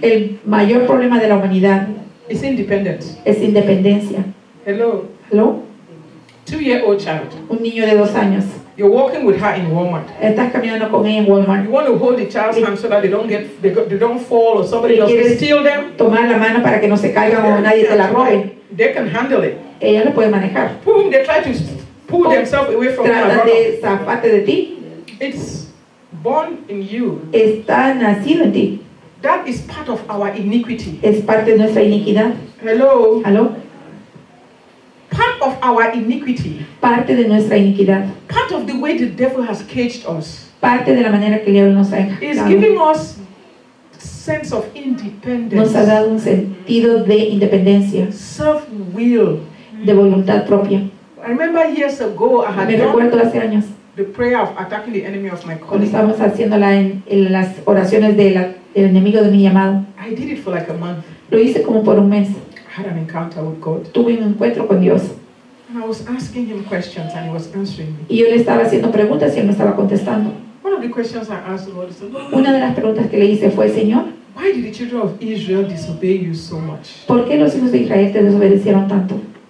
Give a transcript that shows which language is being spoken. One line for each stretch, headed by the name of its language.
Spanish: El mayor problema de la humanidad.
English: Is independence.
Spanish: Es independencia.
English: Hello. Hello. 2-year-old child.
Spanish: Un niño de 2 años.
English: You're walking with her in Walmart.
Spanish: Estás caminando con ella en Walmart.
English: You want to hold the child's hand so that they don't fall or somebody else can steal them.
Spanish: Tomar la mano para que no se caigan o nadie te la robe.
English: They can handle it.
Spanish: Ella lo puede manejar.
English: Boom, they try to pull themselves away from her.
Spanish: Tratan de zafarte de ti.
English: It's born in you.
Spanish: Está nacido en ti.
English: That is part of our iniquity.
Spanish: Es parte de nuestra iniquidad.
English: Hello. Hello. Part of our iniquity.
Spanish: Parte de nuestra iniquidad.
English: Part of the way the devil has caged us.
Spanish: Parte de la manera que el diablo nos ha encajado.
English: Is giving us sense of independence.
Spanish: Nos ha dado un sentido de independencia.
English: Self-will.
Spanish: De voluntad propia.
English: I remember years ago I had
Spanish: me recuerdo hace años.
English: The prayer of attacking the enemy of my calling.
Spanish: Cuando estábamos haciéndola en las oraciones del enemigo de mi llamado.
English: I did it for like a month.
Spanish: Lo hice como por un mes.
English: Had an encounter with God.
Spanish: Tuve un encuentro con Dios.
English: And I was asking him questions and he was answering me.
Spanish: Y yo le estaba haciendo preguntas y él me estaba contestando.
English: One of the questions I asked Lord,
Spanish: una de las preguntas que le hice fue, Señor,
English: why did the children of Israel disobey you so much?
Spanish: ¿Por qué los hijos de Israel te desobedecieron tanto?